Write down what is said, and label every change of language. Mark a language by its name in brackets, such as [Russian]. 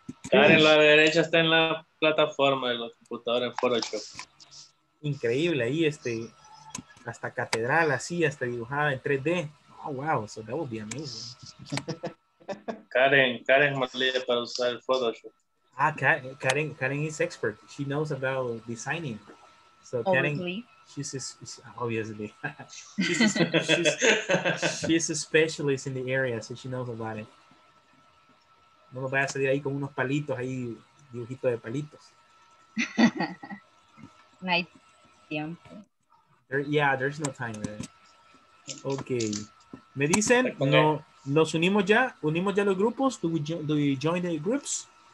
[Spanish] Karen, la derecha está en la plataforma de la computadora en Photoshop. Increíble, ahí hasta catedral, así, hasta dibujada en 3D. [English] Oh, wow, so that would be amazing. [Spanish] Karen es más libre para usar el Photoshop. [English] Ah, Karen is expert. She knows about designing. So Karen, she's a specialist in the area, so she knows about it. [Spanish] No me vaya a salir ahí con unos palitos, ahí dibujito de palitos. No hay tiempo. [English] There's no time. Right? Okay. [Spanish] Me dicen, no, nos unimos ya. Unimos ya los grupos. [English] Do we join the groups?